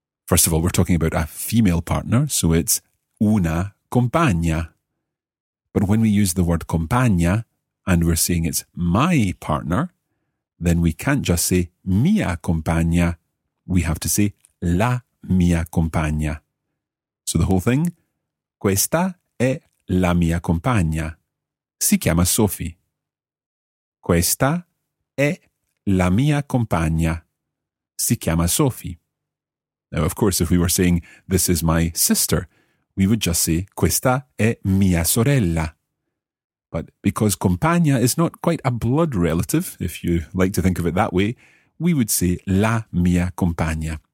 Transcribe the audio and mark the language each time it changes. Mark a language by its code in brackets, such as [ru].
[en] First of all, we're talking about a female partner, so it's [it] una compagna. [en] But when we use the word compagna and we're saying it's my partner, then we can't just say [it] mia compagna. [en] We have to say [it] la mia compagna. [en] So the whole thing, [it] questa è la mia compagna. Si chiama Sophie. Questa è la mia compagna. Si chiama Sophie. [en] Now, of course, if we were saying this is my sister, we would just say [it] questa è mia sorella. [en] But because compagna is not quite a blood relative, if you like to think of it that way, we would say [it] la mia compagna.